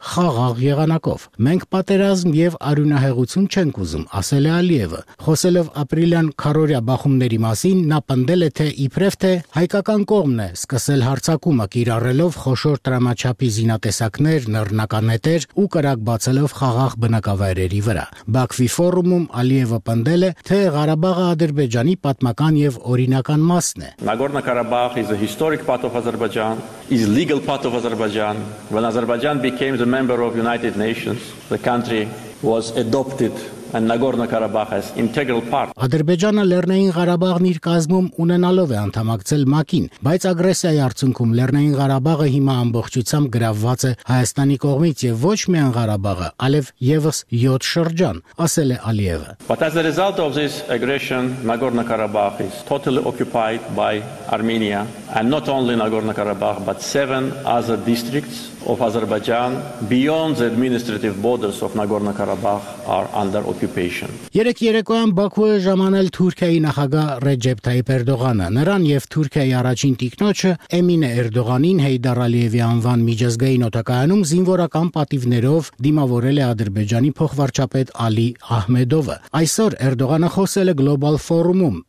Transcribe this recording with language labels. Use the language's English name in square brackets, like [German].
[Armenian] խաղաղ եղանակով։ Մենք պատերազմ եւ արյունահեղություն չենք ուզում, ասել է Ալիևը։ Խոսելով ապրիլյան քարորյա բախումների մասին, նա պնդել է, թե իբրև թե հայկական կողմն է սկսել հարցակումը, կիրառելով խոշոր տրամաչափի զինատեսակներ, նռնականետեր ու կրակ բացելով խաղաղ բնակավայրերի վրա։ Բաքվի ֆորումում Ալիևը պնդել է, թե Ղարաբաղը Ադրբեջանի պատմական եւ օրինական մասն է։ [English] Nagorno Karabakh is a historic part of Azerbaijan, is legal part of Azerbaijan. When Azerbaijan became the member of United Nations, the country was adopted and Nagorno Karabakh is integral part. [Armenian] Ադրբեջանը Լեռնային Ղարաբաղն իր կազմում ունենալով է ընդհամակցել ՄԱԿ-ին, բայց ագրեսիայի արդյունքում Լեռնային Ղարաբաղը հիմա ամբողջությամբ գրավված է Հայաստանի կողմից եւ ոչ միայն Ղարաբաղը, այլև եւս 7 շրջան, ասել է Ալիևը։ [English] But as a result of this aggression, Nagorno Karabakh is totally occupied by Armenia, and not only Nagorno Karabakh, but 7 other districts of Azerbaijan beyond the administrative borders of Nagorno Karabakh are under occupation. [Armenian] Երեք երեկոյան Բաքվի ժամանել Թուրքիայի նախագահ Ռեջեփ Թայիփ Էրդողանը, նրան եւ Թուրքիայի առաջին տիկնոչը Էմինե Էրդողանին Հեյդար Ալիևի անվան միջազգային օտակայանում զինվորական պատիվներով դիմավորել է Ադրբեջանի փոխվարչապետ Ալի Ահմեդովը։ Այսօր Էրդողանը խոսել է գլոբալ ֆորումում.